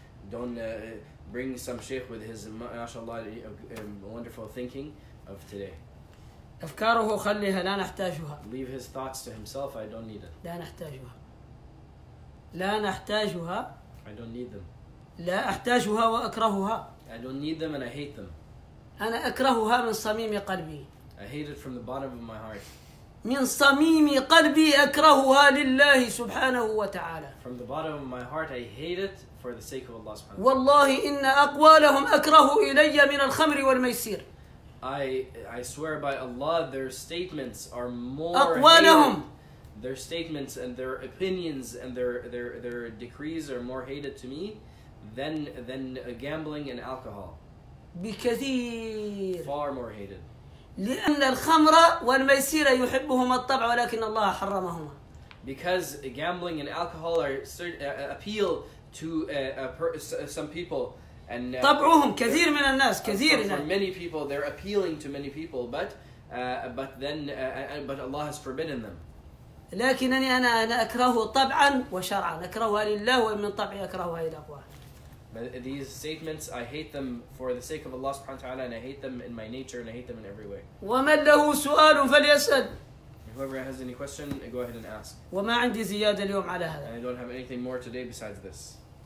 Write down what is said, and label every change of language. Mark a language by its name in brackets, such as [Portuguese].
[English] Don't bring some sheikh with his mashallah wonderful thinking of today. [Arabic] أفكاره خليها لا نحتاجها. [English] Leave his thoughts to himself. I don't need it. [Arabic] لا نحتاجها. لا نحتاجها. [English] I don't need them. [Arabic] لا أحتاجها وأكرهها. [English] I don't need them and I hate them. [Arabic] أنا أكرهها من صميم قلبي. [English] I hate it from the bottom of my heart. [Arabic] من صميم قلبي أكرهها لله سبحانه وتعالى. [English] From the bottom of my heart, I hate it for the sake of Allah سبحانه. [Arabic] والله إن أقوالهم أكره إلي من الخمر والميسر. [English] I swear by Allah, their statements are more. [Arabic] أقوالهم. [English] Hated. Their statements and their opinions and their decrees are more hated to me than gambling and alcohol. [Arabic] بكثير. [English] Far more hated. [Arabic] لأن الخمر والميسر يحبهما الطبع ولكن الله حرمهما. [English] Because gambling and alcohol are appeal to some people and [Arabic] طبعهم كثير من الناس كثير. [English] For many people, they're appealing to many people, but Allah has forbidden them. [Arabic] لكنني أنا أكره طبعا وشرعا أكرهها لله ومن طبعي أكرهها إلى أقوى. [English] But these statements, I hate them for the sake of Allah subhanahu wa ta'ala, and I hate them in my nature, and I hate them in every way. [Arabic] وَمَنْ لَهُ سُؤَالٌ فَلْيَسْأَلْ. [English] Whoever has any question, go ahead and ask. [Arabic] وَمَا عَنْدِي زِيَادَ الْيَوْمْ عَلَى هَذَا. [English] And I don't have anything more today besides this.